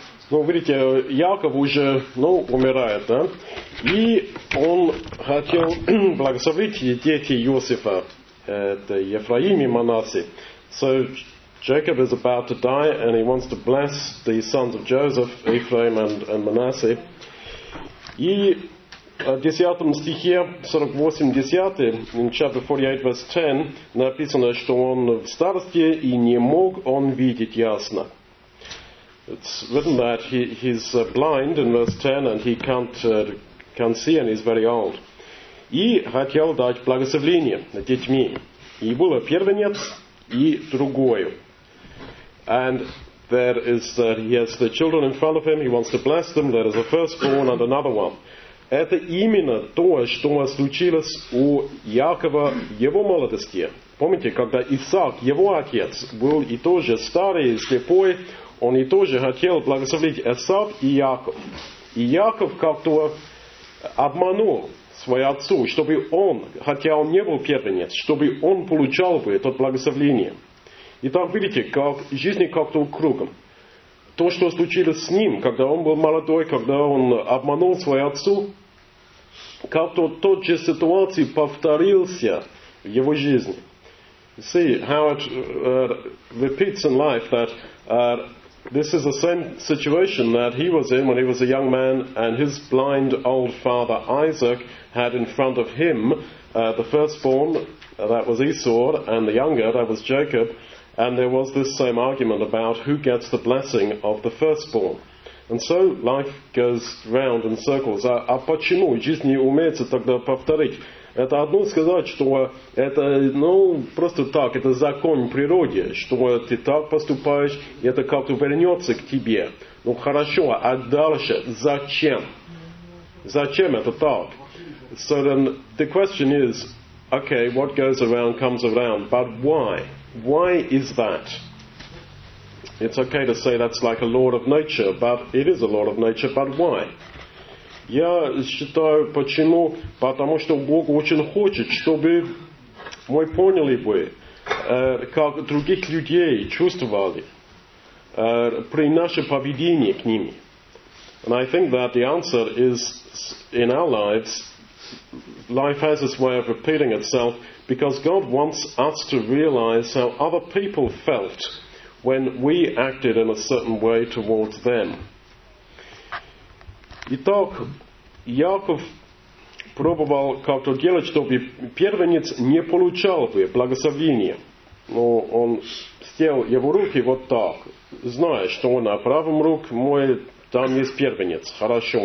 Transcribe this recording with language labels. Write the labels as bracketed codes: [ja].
[ru] Ну, видите, Яков уже, ну, умирает, да? И он хотел благословить дети Иосифа, это Ефраим и Манасе. [en] So, Jacob is about to die, and he wants to bless the sons of Joseph, Ephraim and Manasseh. [ru] И в 10 стихе, 48-10, [en] in chapter 48, verse 10, [ru] написано, что он в старости, и не мог он видеть ясно. [en] It's written that he's blind in verse 10, and he can't see, and he's very old. [ru] И хотел дать благословение детьми. И было первенец, и другое. [en] And there is that he has the children in front of him, he wants to bless them, there is a firstborn and another one. [ru] Это именно то, что случилось у Якова в его молодости. Помните, когда Исаак, его отец, был и тоже старый, слепой, он и тоже хотел благословить Исаав и Яков. И Яков как-то обманул свою отцу, чтобы он, хотя он не был первенец, чтобы он получал бы это благословение. Итак, видите, как жизнь как-то кругом. То, что случилось с ним, когда он был молодой, когда он обманул свою отцу, как-то тот же ситуации повторился в его жизни. [en] See how it repeats in life that this is the same situation that he was in when he was a young man and his blind old father Isaac had in front of him the firstborn, that was Esau, and the younger, that was Jacob. And there was this same argument about who gets the blessing of the firstborn. And so life goes round in circles. [ru] А почему жизнь умеется тогда повторить? Это одно сказать, что это, ну, просто так, это закон природы, что ты так поступаешь, и это как-то вернется к тебе. Ну, хорошо, а дальше зачем? Зачем это так? [en] So then the question is, okay, what goes around comes around, but why? Why is that? It's okay to say that's like a law of nature, but it is a law of nature, but why? [ru] Я считаю, почему? Потому что Бог очень хочет, чтобы мы поняли бы, как других людей чувствовали при нашем поведении к ним. [en] And I think that the answer is in our lives. Life has its way of repeating itself because God wants us to realize how other people felt when we acted in a certain way towards them. [ru] Итак, Яков пробовал как-то делать, чтобы первенец не получал бы благословения. Но он сделал его руки вот так, зная, что он на правом руке мой. Там есть первенец. Хорошо.